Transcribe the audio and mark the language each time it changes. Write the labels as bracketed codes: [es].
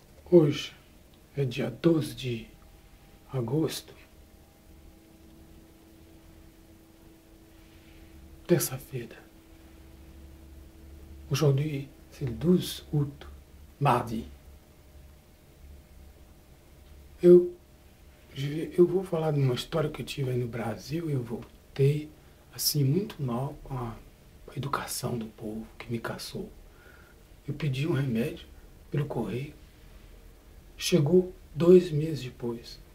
[pt] Hoje é dia 12 de agosto, terça-feira. [fr] Aujourd'hui, c'est le 12 août, mardi. [pt] Eu vou falar de uma história que eu tive aí no Brasil. Eu voltei assim muito mal com a educação do povo que me caçou. Eu pedi um remédio pelo correio. Chegou 2 meses depois.